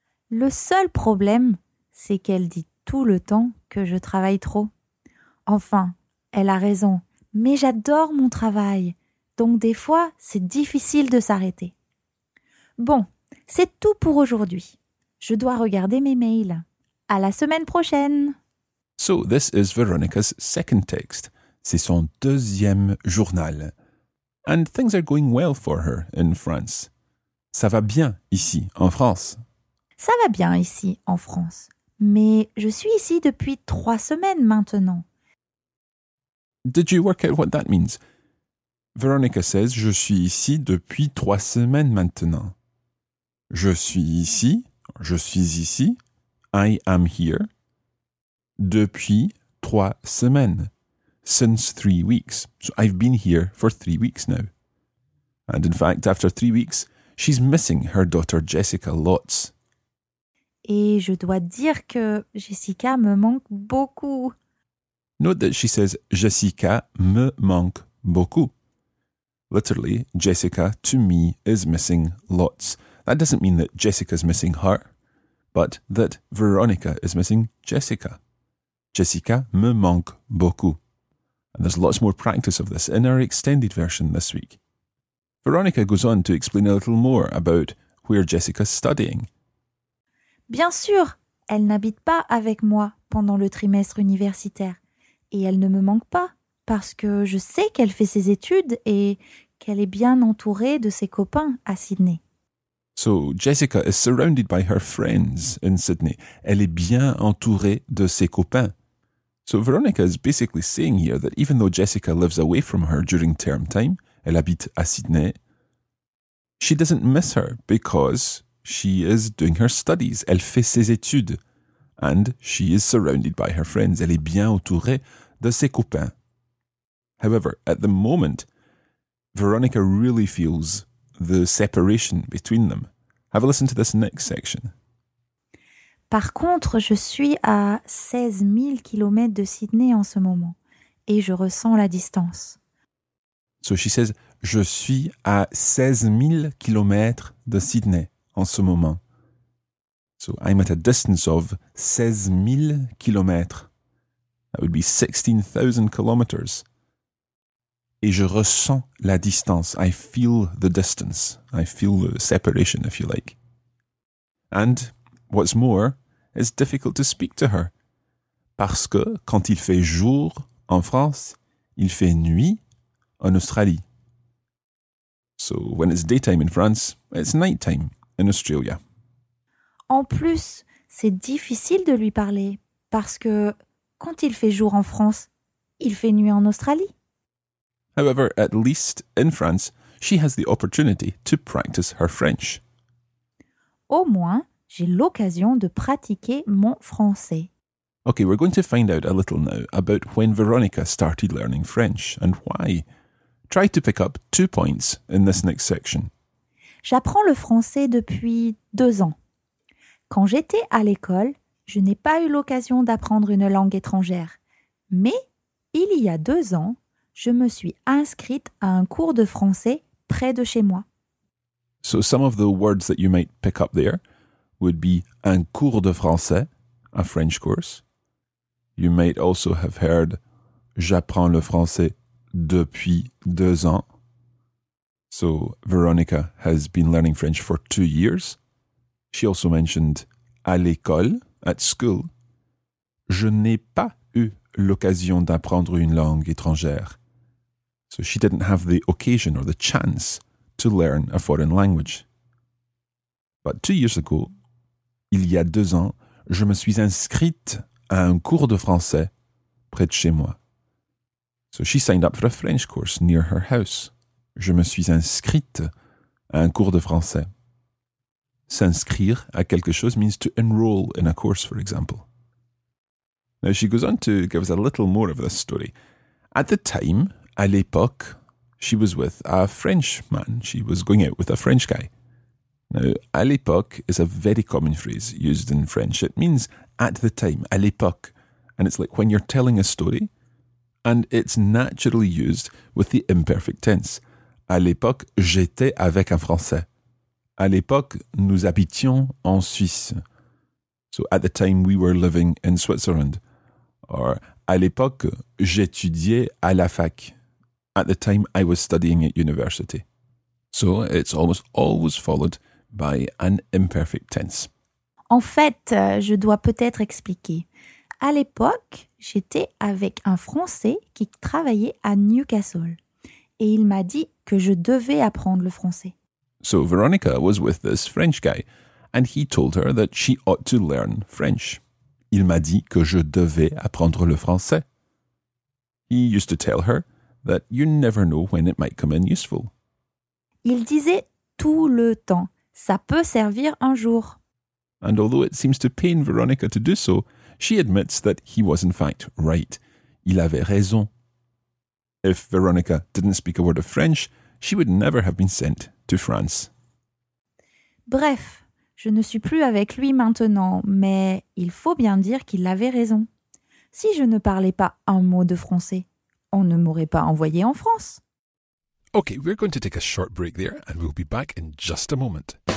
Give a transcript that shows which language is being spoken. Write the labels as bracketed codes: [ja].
[fr] Le seul problème, c'est qu'elle dit tout le temps que je travaille trop. Enfin, elle a raison, mais j'adore mon travail, donc des fois, c'est difficile de s'arrêter. Bon, c'est tout pour aujourd'hui. Je dois regarder mes mails. À la semaine prochaine! [en] So, this is Veronica's second text. [fr] C'est son deuxième journal. [en] And things are going well for her in France. [fr] Ça va bien ici, en France. Ça va bien ici, en France. Mais je suis ici depuis 3 semaines maintenant. [en] Did you work out what that means? Veronica says, [fr] je suis ici depuis 3 semaines maintenant. Je suis ici, [en] I am here, [fr] depuis 3 semaines, [en] since 3 weeks. So I've been here for 3 weeks now. And in fact, after 3 weeks, she's missing her daughter Jessica lots. [fr] Et je dois dire que Jessica me manque beaucoup. [en] Note that she says [fr] Jessica me manque beaucoup. [en] Literally, Jessica to me is missing lots. That doesn't mean that Jessica's missing her, but that Veronica is missing Jessica. [fr] Jessica me manque beaucoup. [en] And there's lots more practice of this in our extended version this week. Veronica goes on to explain a little more about where Jessica's studying. [fr] Bien sûr, elle n'habite pas avec moi pendant le trimestre universitaire. Et elle ne me manque pas, parce que je sais qu'elle fait ses études et qu'elle est bien entourée de ses copains à Sydney. [en] So, Jessica is surrounded by her friends in Sydney. [fr] Elle est bien entourée de ses copains. [en] So, Veronica is basically saying here that even though Jessica lives away from her during term time, [fr] elle habite à Sydney, [en] she doesn't miss her because she is doing her studies. [fr] Elle fait ses études. [en] And she is surrounded by her friends. [fr] Elle est bien entourée de ses copains. [en] However, at the moment, Veronica really feels the separation between them. Have a listen to this next section. [fr] Par contre, je suis à 16 000 kilomètres de Sydney en ce moment et je ressens la distance. [en] So she says, [fr] je suis à 16 000 kilomètres de Sydney en ce moment. [en] So I'm at a distance of 16 000 kilomètres. That would be 16,000 kilometers. [fr] Et je ressens la distance. [en] I feel the distance. I feel the separation, if you like. And what's more, it's difficult to speak to her. [fr] Parce que quand il fait jour en France, il fait nuit en Australie. [en] So when it's daytime in France, it's nighttime in Australia. [fr] En plus, c'est difficile de lui parler. Parce que quand il fait jour en France, il fait nuit en Australie. [en] However, at least in France, she has the opportunity to practice her French. [fr] Au moins, j'ai l'occasion de pratiquer mon français. [en] Okay, we're going to find out a little now about when Veronica started learning French and why. Try to pick up 2 points in this next section. [fr] J'apprends le français depuis 2 ans. Quand j'étais à l'école, je n'ai pas eu l'occasion d'apprendre une langue étrangère. Mais il y a 2 ans, je me suis inscrite à un cours de français près de chez moi. [en] So some of the words that you might pick up there would be [fr] un cours de français, [en] a French course. You might also have heard [fr] j'apprends le français depuis 2 ans. [en] So Veronica has been learning French for 2 years. She also mentioned [fr] à l'école, [en] at school. [fr] Je n'ai pas eu l'occasion d'apprendre une langue étrangère. [en] So she didn't have the occasion or the chance to learn a foreign language. But 2 years ago, [fr] il y a 2 ans, je me suis inscrite à un cours de français près de chez moi. [en] So she signed up for a French course near her house. [fr] Je me suis inscrite à un cours de français. S'inscrire à quelque chose [en] means to enroll in a course, for example. Now she goes on to give us a little more of this story. At the time, [fr] à l'époque, [en] she was with a French man. She was going out with a French guy. Now, [fr] à l'époque [en] is a very common phrase used in French. It means at the time, [fr] à l'époque. [en] And it's like when you're telling a story, and it's naturally used with the imperfect tense. [fr] À l'époque, j'étais avec un Français. À l'époque, nous habitions en Suisse. [en] So, at the time, we were living in Switzerland. [fr] Or, à l'époque, j'étudiais à la fac. [en] At the time, I was studying at university. So it's almost always followed by an imperfect tense. [fr] En fait, je dois peut-être expliquer. À l'époque, j'étais avec un Français qui travaillait à Newcastle. Et il m'a dit que je devais apprendre le français. [en] So Veronica was with this French guy. And he told her that she ought to learn French. [fr] Il m'a dit que je devais apprendre le français. [en] He used to tell her that you never know when it might come in useful. [fr] Il disait tout le temps, ça peut servir un jour. [en] And although it seems to pain Veronica to do so, she admits that he was in fact right. [fr] Il avait raison. [en] If Veronica didn't speak a word of French, she would never have been sent to France. [fr] Bref, je ne suis plus avec lui maintenant, mais il faut bien dire qu'il avait raison. Si je ne parlais pas un mot de français, on ne m'aurait pas envoyé en France. [en] Okay, we're going to take a short break there and we'll be back in just a moment.